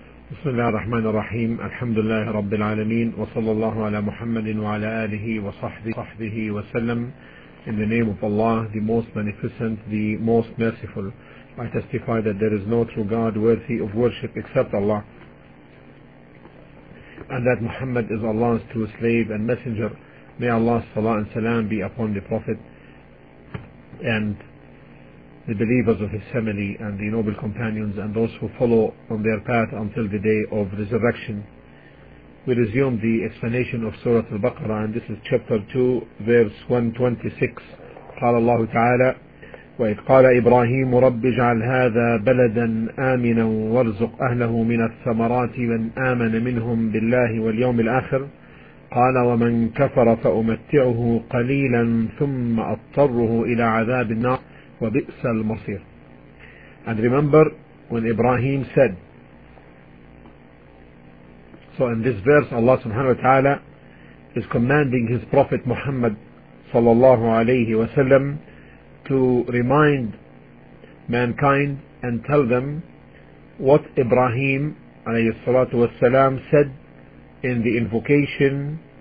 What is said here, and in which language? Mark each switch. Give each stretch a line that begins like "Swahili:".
Arabic: بسم الله الرحمن الرحيم الحمد لله رب العالمين وصلى الله على محمد وعلى آله وصحبه وسلم.
English: In the name of Allah, the Most Beneficent, the Most Merciful, I testify that there is no true God worthy of worship except Allah, and that Muhammad is Allah's true slave and messenger. May Allah's salah and salam be upon the Prophet and the believers of his family and the noble companions and those who follow on their path until the day of resurrection. We resume the explanation of Surah Al-Baqarah, and this is chapter 2, verse 126.
Arabic: قال الله تعالى وَإِذْ قَالَ إِبْرَاهِيمُ رَبِّ اجْعَلْ هَذَا بَلَدًا آمِنًا وَارْزُقْ أَهْلَهُ مِنَ الثَّمَرَاتِ مَنْ آمَنَ مِنْهُمْ بِاللَّهِ وَالْيَوْمِ الْآخِرِ قال ومن كفر فأمتعه قليلا ثم أضطره إلى عذاب النار وبئس المصير.
English: And remember when Ibrahim said, so in this verse Allah
Arabic: subhanahu wa ta'ala
English: is commanding his prophet Muhammad
Arabic: sallallahu alayhi wa sallam
English: to remind mankind and tell them what Ibrahim
Arabic: alayhi salatu wa salam
English: said in the invocation